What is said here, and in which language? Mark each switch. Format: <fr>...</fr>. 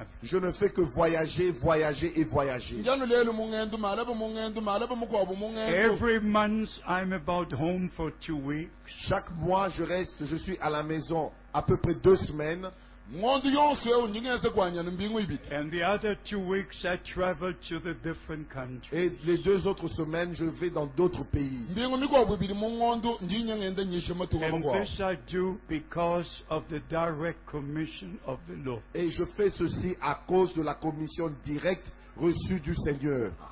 <fr>Je ne fais que voyager, voyager et voyager.</fr> <en>Every month I'm about home for 2 weeks.</en> <fr>Chaque mois je suis à la maison à peu près 2 semaines.</fr> <en>And the other 2 weeks I travel to the different countries.</en> <fr>Et les deux autres semaines je vais dans d'autres pays.</fr> <en>And this I do because of the direct commission of the Lord.</en> <fr>Et je fais ceci à cause de la commission directe reçue du Seigneur.</fr>